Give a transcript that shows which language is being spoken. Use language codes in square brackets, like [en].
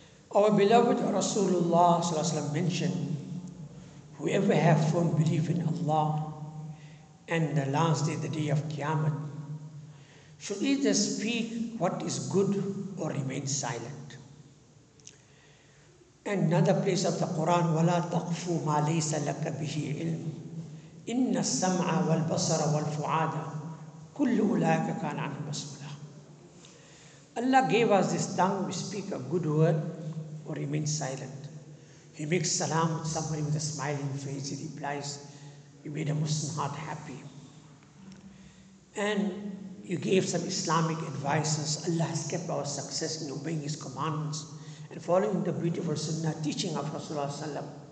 [en] Our beloved Rasulullah sallallahu alayhi wa sallam mentioned, whoever have firm belief in Allah and the last day, the day of Qiyamah, should either speak what is good or remain silent. Another place of the Quran, [ar] وَلَا تَقْفُ مَا لَيْسَ لَكَ بِهِ عِلْمٌ إِنَّ السَّمْعَ وَالْبَصَرَ وَالْفُعَادَ كُلُّ أُولَٰئِكَ كَانَ عَنْهُ مَسْئُولًا. [en] Allah gave us this tongue, we speak a good word or remain silent. He makes salam with somebody with a smiling face, he replies, you made a Muslim heart happy. And you gave some Islamic advices. Allah has kept our success in obeying His commandments and following the beautiful sunnah teaching of Rasulullah Sallam.